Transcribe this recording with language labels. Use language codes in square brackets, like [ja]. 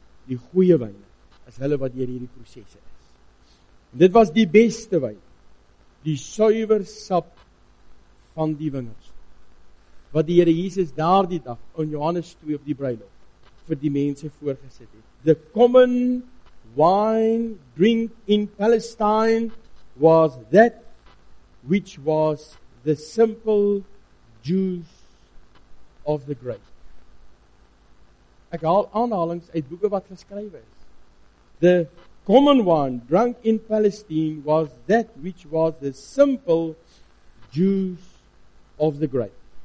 [af] Die goeie wyne is hulle wat deur hierdie prosesse is. En dit was die beste wyn. Die suiwer sap van die wingerd. Wat die Here Jesus daardie dag in Johannes 2 op die bruilof vir die mense voorgesit het. [en] The common wine drink in Palestine was that which was the simple juice of the grape. [af] Ek haal aanhalings uit boeke wat geskrywe is. [en] The common wine drunk in Palestine was that which was the simple juice of the grape.